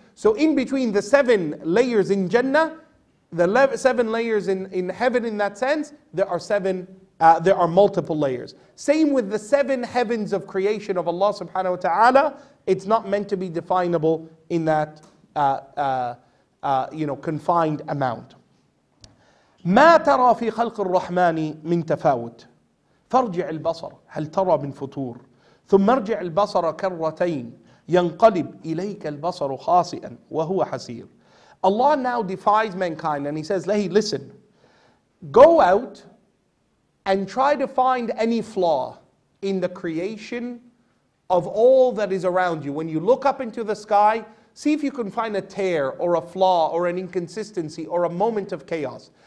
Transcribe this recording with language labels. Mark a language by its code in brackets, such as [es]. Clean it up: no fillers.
[en] So in between the seven layers in Jannah, the seven layers in heaven in that sense, there are seven, there are multiple layers. Same with the seven heavens of creation of Allah subhanahu wa ta'ala, it's not meant to be definable in that confined amount. [ar] مَا تَرَى فِي خَلْقِ الرَّحْمَانِ مِنْ تَفَاوُتٍ فارجع البصر هل ترى من فطور ثم ارجع البصر كرتين ينقلب إليك البصر خاسئا وهو حسير. [en] Allah now defies mankind and he says, Lahi, listen, go out and try to find any flaw in the creation of all that is around you. When you look up into the sky, see if you can find a tear or a flaw or an inconsistency or a moment of chaos.